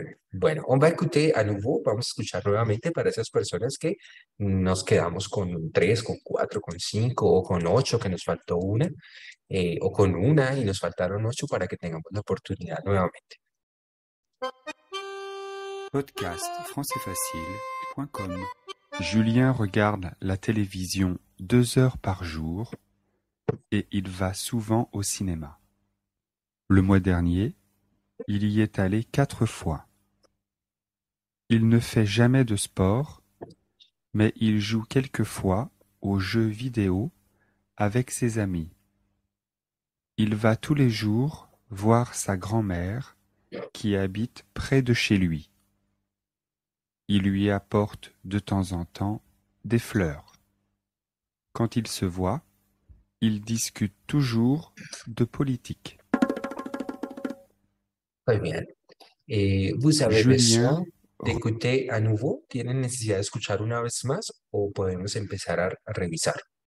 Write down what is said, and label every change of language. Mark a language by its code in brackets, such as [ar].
[es] Bueno, [fr] on va a écouter à nouveau, [es] vamos a escuchar nuevamente para esas personas que nos quedamos con un 3, con 4, con 5 o con 8, que nos faltó una, o con una y nos faltaron 8 para que tengamos la oportunidad nuevamente. [fr] Podcast francaisfacile.com. Julien regarde la télévision 2 heures par jour et il va souvent au cinéma. Le mois dernier, il y est allé 4 fois. Il ne fait jamais de sport, mais il joue quelquefois aux jeux vidéo avec ses amis. Il va tous les jours voir sa grand-mère qui habite près de chez lui. Il lui apporte de temps en temps des fleurs. Quand ils se voient, ils discutent toujours de politique. [es] Muy bien. [fr] ¿Vos avez besoin d'écouter a nouveau? [es] ¿Tienen necesidad de escuchar una vez más o podemos empezar a revisar?